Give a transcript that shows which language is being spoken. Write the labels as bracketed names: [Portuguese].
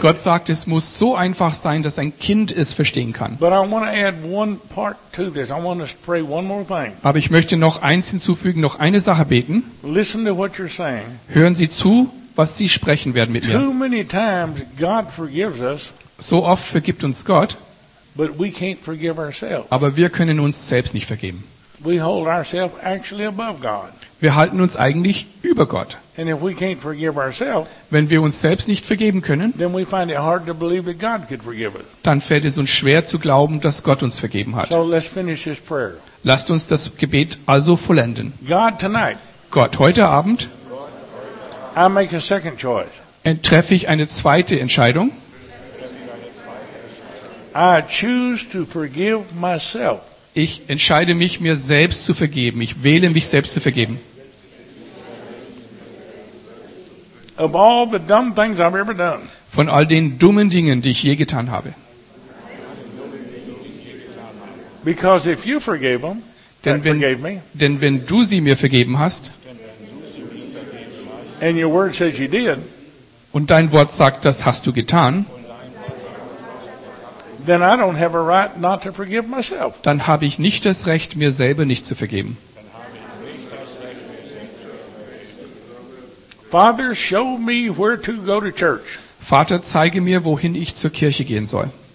[German] Gott sagt, es muss so einfach sein, dass ein Kind es verstehen kann. [English] But I want to add one part to this. I want to pray one more thing. [German] Aber ich möchte noch eins hinzufügen, noch eine Sache beten. [English] Listen to what you're saying. [German] Hören Sie zu, was Sie sprechen werden mit mir. [English] Too many times God forgives us. [German] So oft vergibt uns Gott. [English] But we can't forgive ourselves. [German] Aber wir können uns selbst nicht vergeben. [English] We hold ourselves actually above God. [German] Wir halten uns eigentlich über Gott. [English] And if we can't forgive ourselves, [German] wenn wir uns selbst nicht vergeben können, [English] then we find it hard to believe that God could forgive us. [German] Dann fällt es uns schwer zu glauben, dass Gott uns vergeben hat. [English] So let's finish this prayer. [German] Lasst uns das Gebet also vollenden. [English] God tonight, [German] Gott heute Abend, [English] I make a second choice. [German] Treffe ich eine zweite Entscheidung. [English] I choose to forgive myself. [German] Ich entscheide mich, mir selbst zu vergeben. Ich wähle, mich selbst zu vergeben. [English] Of all the dumb things I've ever done. [German] Von all den dummen Dingen, die ich je getan habe. [English] Because if you forgave them, [German] denn wenn, [English] forgave me. [German] Denn wenn du sie mir vergeben hast, [English] and your word says you did, [German] und dein Wort sagt, das hast du getan, [English] then I don't have a right not to forgive myself. [German] Dann habe ich nicht das Recht, mir selber nicht zu vergeben. [English] Father, show me where to go to church. [German] Vater, zeige mir, wohin ich zur Kirche gehen soll.